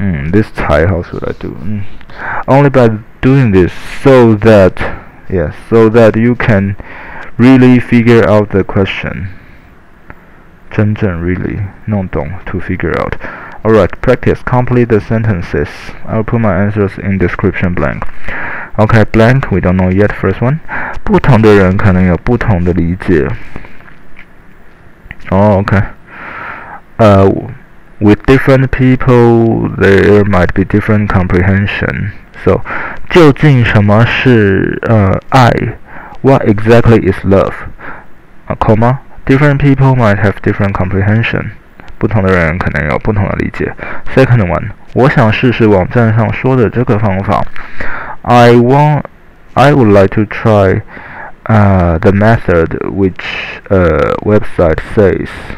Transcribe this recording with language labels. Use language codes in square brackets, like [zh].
[en] This Thai, how should I do? Only by doing this, so that you can really figure out the question. 真正 really, 弄懂 to figure out. Alright, practice, complete the sentences. I'll put my answers in description blank. Okay, blank, we don't know yet, first one. [zh] 不同的人可能有不同的理解。 [en] OK. With different people, there might be different comprehension. [zh] So, 究竟什么是爱? [en] What exactly is love? Comma, different people might have different comprehension. [zh] 不同的人可能有不同的理解。 [en] Second one, [zh] 我想试试网站上说的这个方法。 [en] I would like to try the method which website says.